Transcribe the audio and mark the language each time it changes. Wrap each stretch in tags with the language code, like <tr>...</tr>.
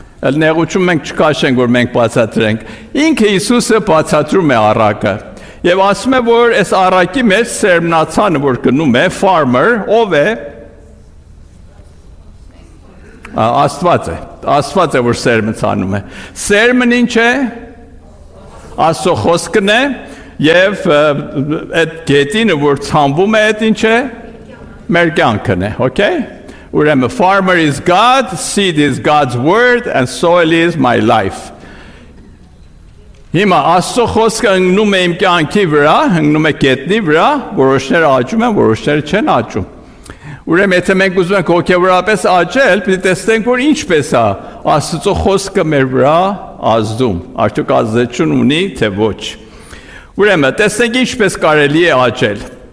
<hy>էլ նեղություն մենք չկաշենք, որ մենք բացատրենք, ինքը Հիսուսը բացատրում է առակը, և ասում է, որ այս առակի մեջ սերմնացանը, որ գնում է, farmer, ով է, Աստված է, Աստված է, որ սերմնացանում է, սերմն ինչ է, Աստծո խոսքն է, և այդ գետինը, որ ծանվում է, այդ ինչ է, մեր կյանքն է, okay?</hy> <en>Ուրեմն, farmer is God, seed is God's word, and soil is my life.</en> <hy>Հիմա Աստծո խոսքը ընկնում է իմ կյանքի վրա, ընկնում է գետնի վրա, որոշները աճում են, որոշները չեն աճում։ Ուրեմն, եթե մենք ուզում ենք հոգևորապես աճել, պիտի տեսնենք, որ ինչպես է Աստծո խոսքը մեր վրա ազդում, արդյոք ազդեցություն ունի, թե ոչ։ Ուրեմն, տեսնենք ինչպես կարելի է աճել։</hy>